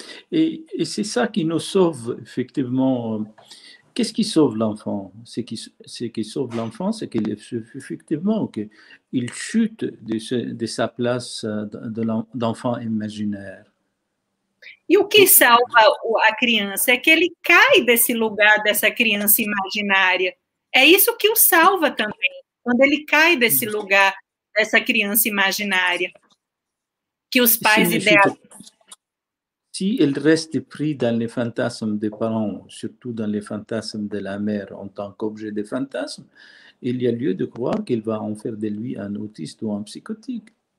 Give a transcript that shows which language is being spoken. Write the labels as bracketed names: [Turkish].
[French] Et c'est ça qui nous sauve, effectivement. Qu'est-ce qui sauve l'enfant? Ce qui sauve l'enfant, c'est qu'effectivement, qu'il chute de sa place d'enfant imaginaire. [Portuguese] E o que salva a criança? É que ele cai desse lugar, dessa criança imaginária. É isso que o salva também, quando ele cai desse lugar, dessa criança imaginária, que os pais idealizam. [French] Si elle reste prise dans les fantasmes des parents, surtout dans les fantasmes de la mère en tant qu'objet de fantasme, il y a lieu de croire qu'il va en faire de lui un autiste ou un psychotique.